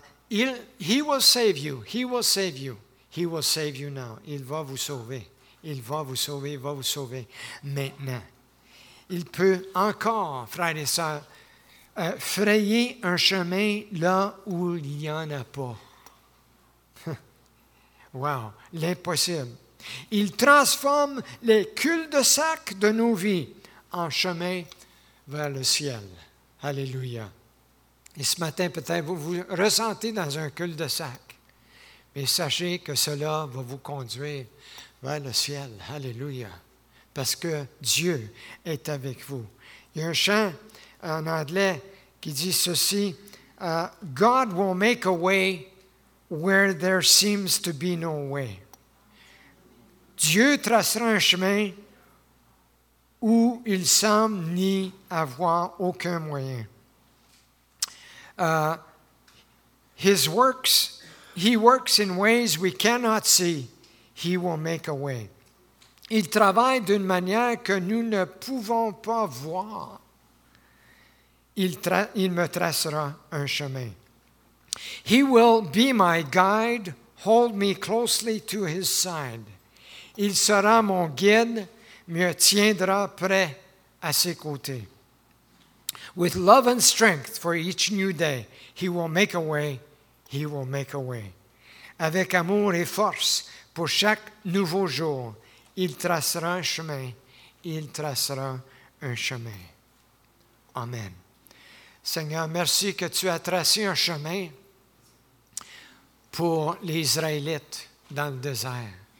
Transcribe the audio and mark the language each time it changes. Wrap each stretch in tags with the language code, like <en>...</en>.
<en>He will save you, he will save you, he will save you now.</en> <fr>Il va vous sauver, il va vous sauver, il va vous sauver maintenant. Il peut encore, frères et sœurs, frayer un chemin là où il n'y en a pas. Wow! L'impossible. Il transforme les cul-de-sac de nos vies en chemin vers le ciel. Alléluia! Et ce matin, peut-être, vous vous ressentez dans un cul-de-sac, mais sachez que cela va vous conduire vers le ciel. Alléluia! Parce que Dieu est avec vous. Il y a un chant en anglais qui dit ceci, «</fr> <en>God will make a way where there seems to be no way.</en> <fr>» Dieu tracera un chemin où il semble n'y avoir aucun moyen.</fr> <en>He works in ways we cannot see. He will make a way.</en> <fr>Il travaille d'une manière que nous ne pouvons pas voir. Il me tracera un chemin.</fr> <en>He will be my guide, hold me closely to his side.</en> <fr>Il sera mon guide, me tiendra près à ses côtés.</fr> <en>With love and strength for each new day, he will make a way, he will make a way.</en> <fr>Avec amour et force pour chaque nouveau jour, il tracera un chemin, il tracera un chemin. Amen. Seigneur, merci que tu as tracé un chemin pour les Israélites dans le désert.</fr>